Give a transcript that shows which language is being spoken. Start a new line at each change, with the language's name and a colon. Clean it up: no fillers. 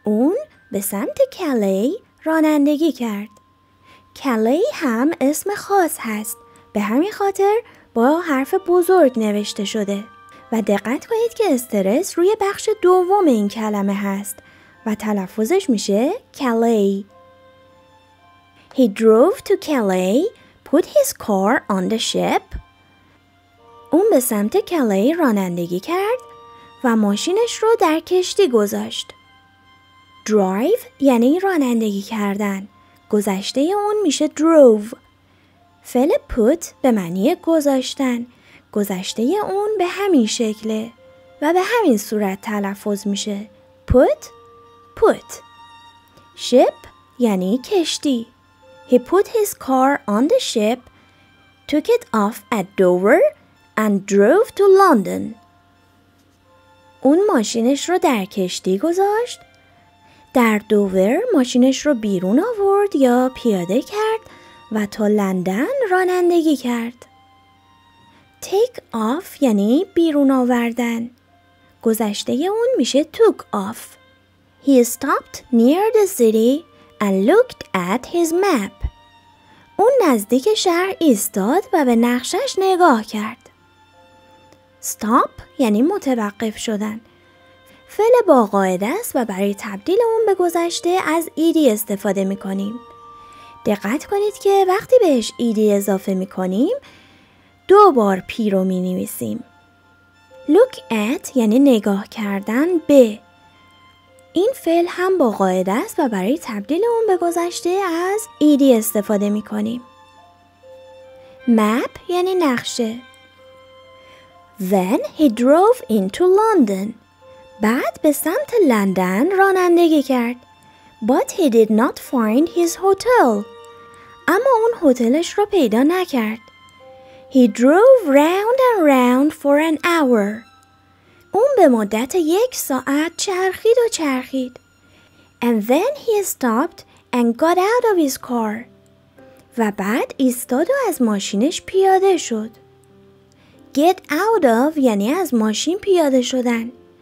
Persian: اون به سمت Calais رانندگی کرد. Calais هم اسم خاص هست. به همین خاطر با حرف بزرگ نوشته شده. و دقت کنید که استرس روی بخش دوم این کلمه هست. و تلفظش میشه Calais.
English: He drove to Calais, put his car on the ship.
Persian: اون به سمت Calais رانندگی کرد و ماشینش رو در کشتی گذاشت. Drive یعنی رانندگی کردن. گذشته اون میشه drove. فعل put به معنی گذاشتن. گذشته اون به همین شکله و به همین صورت تلفظ میشه.
English: Put. Put. Ship
Persian: یعنی کشتی.
English: He put his car on the ship, took it off at Dover and drove to London.
Persian: اون ماشینش رو در کشتی گذاشت. در دوور ماشینش رو بیرون آورد یا پیاده کرد و تا لندن رانندگی کرد. Take off یعنی بیرون آوردن. گذشته اون میشه took off.
English: He stopped near the city and looked at his map.
Persian: اون نزدیک شهر ایستاد و به نقشه‌اش نگاه کرد. Stop یعنی متوقف شدن. فعل با قاعده است و برای تبدیل اون به گذشته از ایدی استفاده می‌کنیم. دقت کنید که وقتی بهش ایدی اضافه می‌کنیم دو بار پی رو می‌نویسیم. Look at یعنی نگاه کردن به. این فعل هم با قاعده است و برای تبدیل اون به گذشته از ایدی استفاده می کنیم.
English: Map
Persian: یعنی نقشه.
English: Then he drove into London.
Persian: بعد به سمت لندن رانندگی کرد.
English: But he did not find his hotel.
Persian: اما اون هتلش رو پیدا نکرد.
English: He drove round and round for an hour.
Persian: اون به مدت یک ساعت چرخید و چرخید.
English: And then he stopped and got out of his car.
Persian: و بعد ایستاد و از ماشینش پیاده شد. Get out of یعنی از ماشین پیاده شدن.